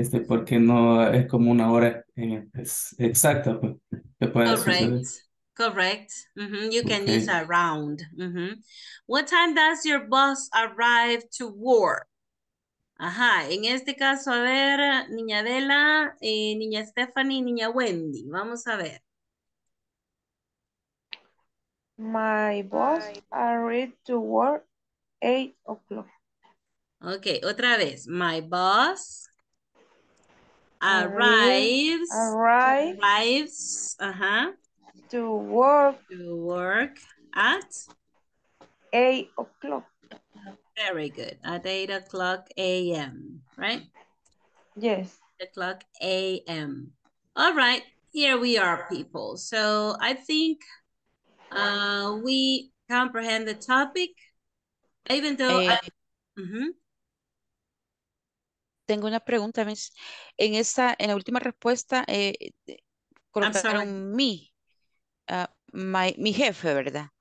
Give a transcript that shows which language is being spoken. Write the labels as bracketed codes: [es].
[es] Este, porque no es como una hora exacta. [en] Correct, correct. Mm-hmm. You can okay. use around. Mm-hmm. What time does your boss arrive to work? [es] Ajá, en este caso, a ver, niña Adela, niña Stephanie, niña Wendy, vamos a ver. [en] My boss arrived to work 8 o'clock. Okay, otra vez. My boss arrives to work at 8 o'clock. Very good. At 8 o'clock a.m. right? Yes. 8 o'clock a.m. All right, here we are, people. So I think we comprehend the topic, even though [es] Tengo una pregunta, Miss. En esta, en la última respuesta, colocaron mi, mi jefe, ¿verdad?